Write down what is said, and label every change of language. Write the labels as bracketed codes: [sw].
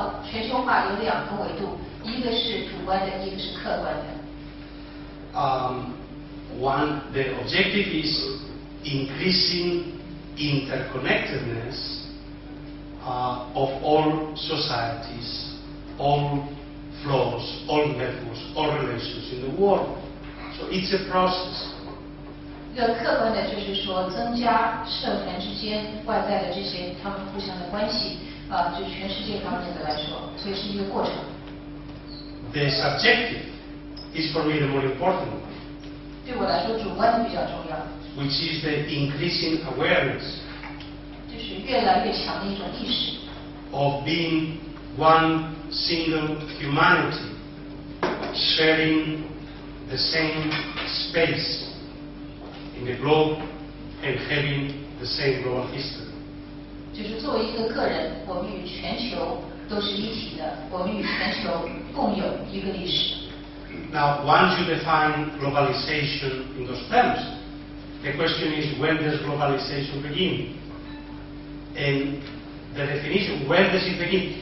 [zh] 全球化有两个维度，一个是主观的，一个是客观的。 [en] The objective is increasing interconnectedness of all societies, all flows, all networks, all relations in the world. So it's a process. [zh] 一个客观的就是说增加社团之间外在的这些他们互相的关系就全世界方面的来说，所以是一个过程。 [en] The subjective is for me the more important one. [zh] 对我来说主观比较重要。 [en] Which is the increasing awareness. [zh] 就是越来越强的一种意识。 [en] Of being one single humanity sharing the same spaceIn the globe and having the same global history. [zh] 就是作为一个个人，我们与全球都是一体的，我们与全球共有一个历史。 [en] Now, once you define globalization in those terms, the question is when does globalization begin? And the definition, when does it begin?